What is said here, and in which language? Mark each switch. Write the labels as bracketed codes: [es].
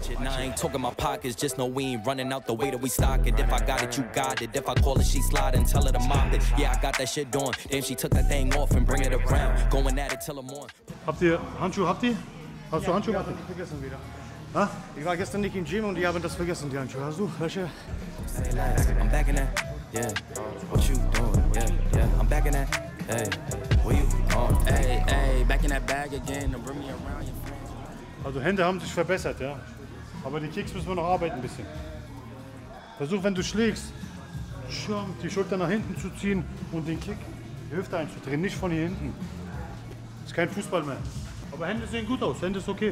[en] Now I ain't talking my pockets, just know we ain't running out the way that we stock it. If I got it, you got it. If I call it, she slide and tell her to mop it. Yeah, I got that shit on. Then she took that thing off and bring it around. Going at it till the morning. [de] Habt ihr Handschuhe? Habt ihr? Hast du Handschuhe, Martin? Ich hab vergessen wieder. Ich war gestern nicht im Gym und die haben das vergessen, die Handschuhe. Hast du welche? [en] I'm back in that. Yeah, what you doing? Yeah, yeah, I'm back in that. Hey, where you going? Hey, hey, back in that bag again. Bring me around. [de] Also Hände haben sich verbessert, ja. Aber die Kicks müssen wir noch arbeiten ein bisschen. Versuch, wenn du schlägst, die Schulter nach hinten zu ziehen und den Kick die Hüfte einzudrehen, nicht von hier hinten. Ist kein Fußball mehr. Aber Hände sehen gut aus, Hände ist okay.